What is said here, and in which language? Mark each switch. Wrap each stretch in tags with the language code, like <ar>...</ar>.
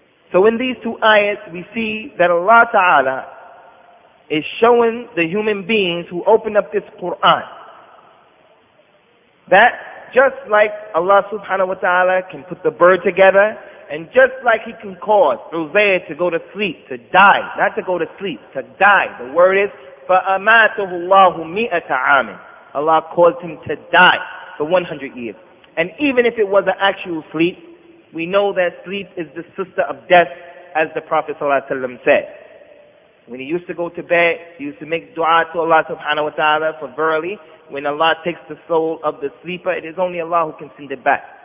<en>So in these two ayats we see that Allah Ta'ala is showing the human beings who open up this Quran that just like Allah subhanahu wa ta'ala can put the bird together, and just like he can cause Uzair to go to sleep, to die, not to go to sleep, to die. The word is,</en> <ar>فَأَمَاتُهُ اللَّهُ مِئَةَ عَامٍ.</ar> <en>Allah caused him to die for 100 years. And even if it was an actual sleep, we know that sleep is the sister of death, as the Prophet sallallahu alaihi wasallam said. When he used to go to bed, he used to make dua to Allah subhanahu wa ta'ala, for verily, when Allah takes the soul of the sleeper, it is only Allah who can send it back.</en>